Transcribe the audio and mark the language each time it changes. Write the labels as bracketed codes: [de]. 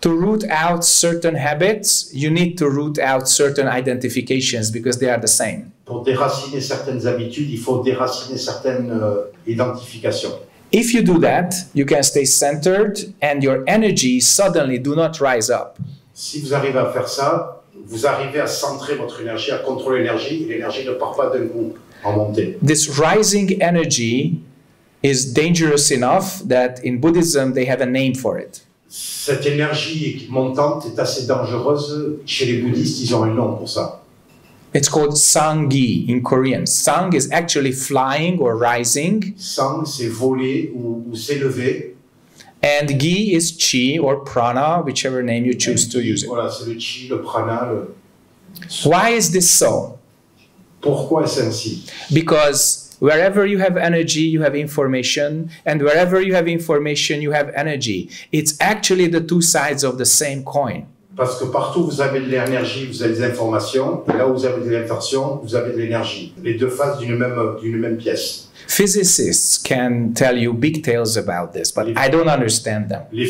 [en] To root out certain habits, you need to root out certain identifications because they are the same. [fr] pour déraciner certaines habitudes, il faut déraciner certaines identifications. [en] If you do that, you can stay centered and your energy suddenly do not rise up. [fr] Si vous arrivez à faire ça, vous arrivez à centrer votre énergie, à contrôler l'énergie, et l'énergie ne part pas d'un coup en montée. [en] This rising energy is dangerous enough that in Buddhism they have a name for it. [fr] Cette énergie montante est assez dangereuse. Chez les bouddhistes, ils ont un nom pour ça. [en] It's called sanggi in Korean. Sang is actually flying or rising. [fr] Sang, c'est voler ou s'élever. [en] And gi is chi or prana, whichever name you choose and to use it. [fr] Voilà, c'est le chi, le prana. Le... [en] Why is this so? [fr] Pourquoi est-ce ainsi? [en] Because wherever you have energy, you have information. And wherever you have information, you have energy. It's actually the two sides of the same coin. [fr] Parce que partout où vous avez de l'énergie, vous avez des informations. Et là où vous avez de l'information, vous avez de l'énergie. Les deux faces d'une même pièce. [en] Physicists can tell you big tales about this, but I don't understand them.